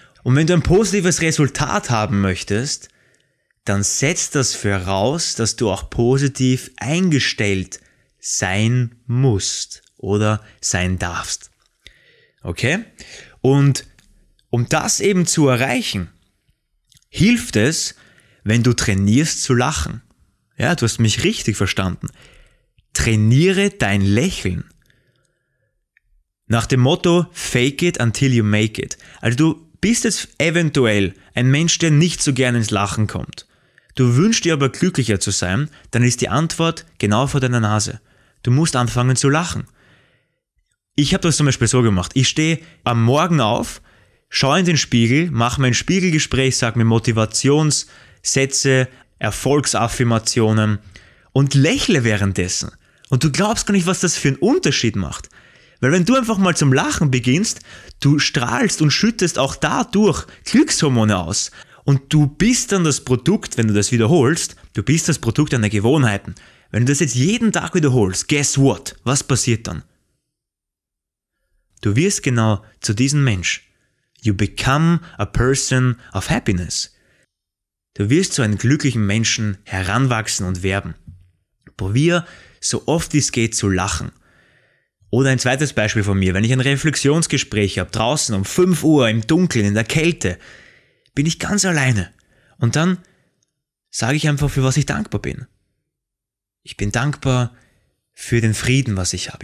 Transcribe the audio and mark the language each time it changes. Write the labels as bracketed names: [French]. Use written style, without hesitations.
[German] Und wenn du ein positives Resultat haben möchtest, dann setz das voraus, dass du auch positiv eingestellt sein musst oder sein darfst. Okay? Und um das eben zu erreichen, hilft es, wenn du trainierst zu lachen. Ja, du hast mich richtig verstanden. Trainiere dein Lächeln. Nach dem Motto, [English] fake it until you make it. [German] Also du bist jetzt eventuell ein Mensch, der nicht so gerne ins Lachen kommt. Du wünschst dir aber glücklicher zu sein, dann ist die Antwort genau vor deiner Nase. Du musst anfangen zu lachen. Ich habe das zum Beispiel so gemacht. Ich stehe am Morgen auf, schaue in den Spiegel, mache mein Spiegelgespräch, sage mir Motivationssätze, Erfolgsaffirmationen und lächle währenddessen. Und du glaubst gar nicht, was das für einen Unterschied macht. Weil wenn du einfach mal zum Lachen beginnst, du strahlst und schüttest auch dadurch Glückshormone aus. Und du bist dann das Produkt, wenn du das wiederholst, du bist das Produkt deiner Gewohnheiten. Wenn du das jetzt jeden Tag wiederholst, [English] guess what? [German] Was passiert dann? Du wirst genau zu diesem Mensch. [English] You become a person of happiness. [German] Du wirst zu einem glücklichen Menschen heranwachsen und werden. Probier so oft wie es geht zu lachen. Oder ein zweites Beispiel von mir. Wenn ich ein Reflexionsgespräch habe, draußen um 5 Uhr im Dunkeln, in der Kälte, bin ich ganz alleine. Und dann sage ich einfach, für was ich dankbar bin. Ich bin dankbar für den Frieden, was ich habe.